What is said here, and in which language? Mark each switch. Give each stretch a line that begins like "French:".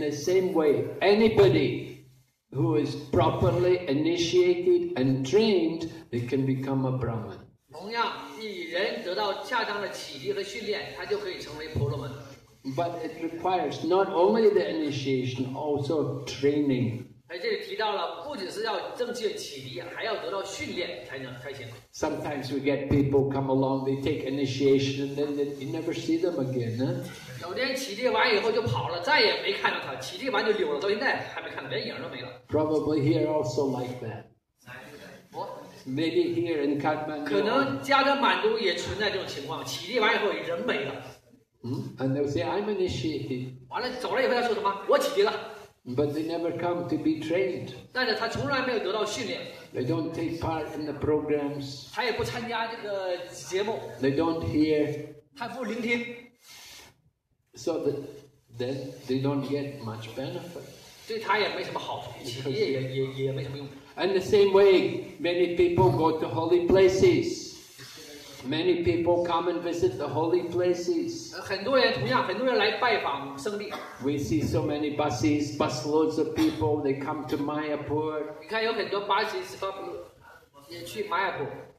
English: the same way, anybody who is properly initiated and trained, they can become a Brahman.
Chinese: 同样，一人得到恰当的启迪和训练，他就可以成为婆罗门。
English: But it requires not only the initiation, also training.
Chinese: 这里提到了，不只是要正确启迪，还要得到训练才行。
English: Sometimes we get people come along, they take initiation, and then you never see them again.
Chinese: 有的人启迪完以后就跑了，再也没看到他。启迪完就溜了，到现在还没看到，连影都没了。
English: Probably here also like that. Maybe here in Kathmandu.
Chinese: 可能加德满都也存在这种情况，启迪完以后人没了。
English: And they'll say, I'm initiated.
Chinese: 完了，走了以后他说什么？我起立了。
English: But they never come to be trained.
Chinese: 但是他从来没有得到训练。
English: They don't take part in the programs.
Chinese: 他也不参加这个节目。
English: They don't hear.
Chinese: 他不聆听。
English: So then they don't get much benefit.
Chinese: 对他也没什么好处，企业也没什么用。
English: And the same way, many people go to holy places. Many people come and visit the holy places.
Chinese: 很多人来拜访圣地。
English: We see so many buses, busloads of people, they come to Mayapur.
Chinese: 你看有很多巴士也去Mayapur。